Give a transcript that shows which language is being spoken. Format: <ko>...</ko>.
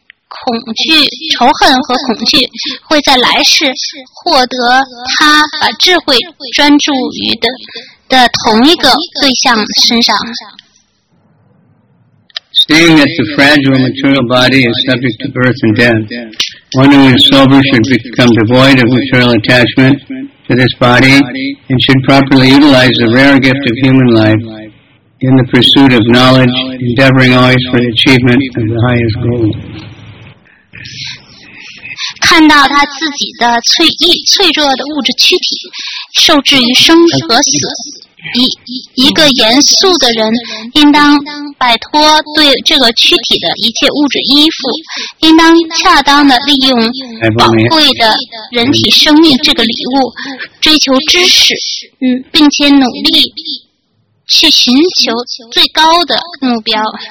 <zh>恐惧、仇恨和恐惧会在来世获得他把智慧专注于的的同一个对象身上。</zh> <en>Seeing that the fragile material body is subject to birth and death, one who is sober should become devoid of material attachment to this body and should properly utilize the rare gift of human life in the pursuit of knowledge, endeavoring always for the achievement of the highest goal.</en> <zh>看到他自己的脆弱的物质躯体受制于生和死。一个严肃的人应当摆脱对这个躯体的一切物质依附，应当恰当地利用宝贵的人体生命这个礼物，追求知识，并且努力去寻求最高的目标。</zh>